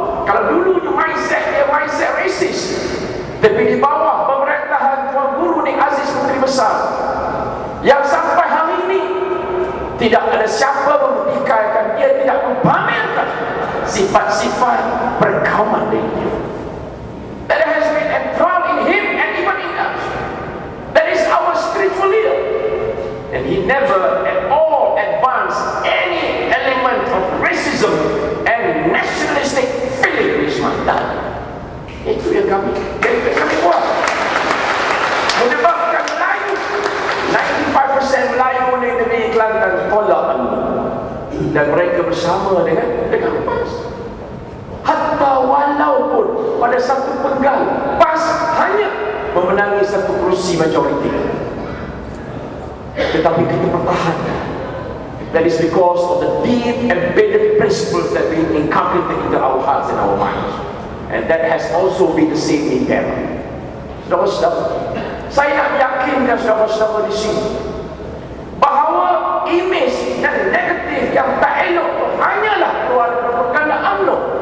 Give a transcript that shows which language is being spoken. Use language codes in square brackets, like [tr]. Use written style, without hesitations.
[ms] Kalau dulunya mindset dia mindset racist, tapi di bawah pemerintahan Tuan Guru ni Aziz Menteri Besar, yang sampai hari ini tidak ada siapa membuktikan dia tidak mempamerkan sifat-sifat perkauman dia. [en] That has been enthralled in him and even in us. That is our spiritual leader. And he never at all advanced any element of racism and nationalistic feeling in his mind. [ms] Itu yang kami buat. Menyebabkan Melayu, 95% Melayu di negeri Kelantan tolak UMNO. Dan mereka bersama dengan PAS. Hatta walaupun pada satu penggal PAS hanya memenangi satu kerusi majoriti, tetapi kita pertahankan. [en] That is because of the deep embedded principles that we inculcated into our hearts and our minds. And that has also been the same in them. [ms] Saudara-saudara, saya nak yakinkan saudara-saudara di sini bahawa imej dan negatif yang tak elok itu hanyalah keluar perkara UMNO.